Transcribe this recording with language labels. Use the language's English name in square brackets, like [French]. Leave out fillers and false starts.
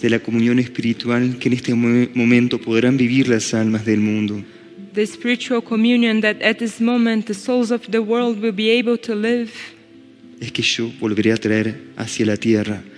[Spanish] de la comunión espiritual que en este momento podrán vivir las almas del mundo, [English] the spiritual communion that at this moment the souls of the world will be able to live, [Spanish] es que yo volveré a traer hacia la tierra,